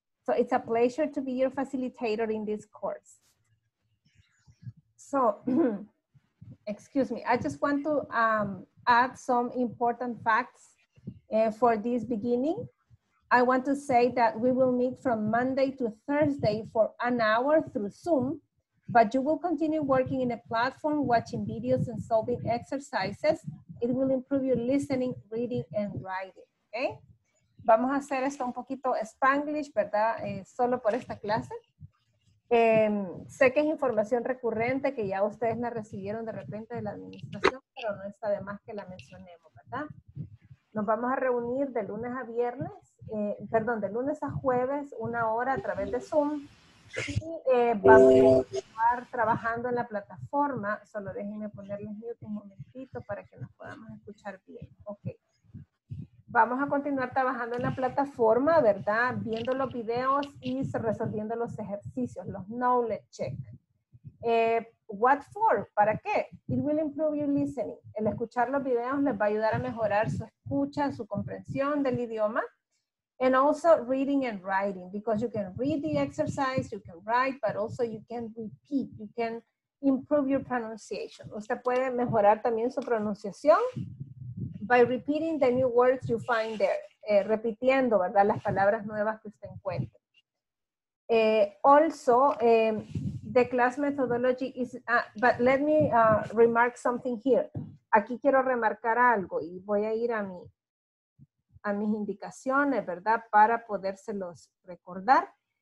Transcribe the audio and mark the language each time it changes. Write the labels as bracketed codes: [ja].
[en] So it's a pleasure to be your facilitator in this course. So, excuse me, I just want to add some important facts for this beginning. I want to say that we will meet from Monday to Thursday for an hour through Zoom, but you will continue working in a platform, watching videos and solving exercises. It will improve your listening, reading and writing, okay? [es] Vamos a hacer esto un poquito Spanglish, ¿verdad? Solo por esta clase. Sé que es información recurrente que ya ustedes la recibieron de repente de la administración, pero no está de más que la mencionemos, ¿verdad? Nos vamos a reunir de lunes a viernes. De lunes a jueves, una hora a través de Zoom. Y vamos a continuar trabajando en la plataforma. Solo déjenme ponerles mute un momentito para que nos podamos escuchar bien. Ok. Vamos a continuar trabajando en la plataforma, ¿verdad? Viendo los videos y resolviendo los ejercicios, los knowledge check. [en] What for? [es] ¿Para qué? [en] It will improve your listening. [es] El escuchar los videos les va a ayudar a mejorar su escucha, su comprensión del idioma. [en] And also reading and writing, because you can read the exercise, you can write, but also you can repeat, you can improve your pronunciation. [es] Usted puede mejorar también su pronunciación [en] by repeating the new words you find there, [es] repitiendo, ¿verdad?, las palabras nuevas que usted encuentra. [en] The class methodology is, but let me remark something here. [es] Aquí quiero remarcar algo y voy a ir a mis indicaciones, ¿verdad?, para podérselos recordar.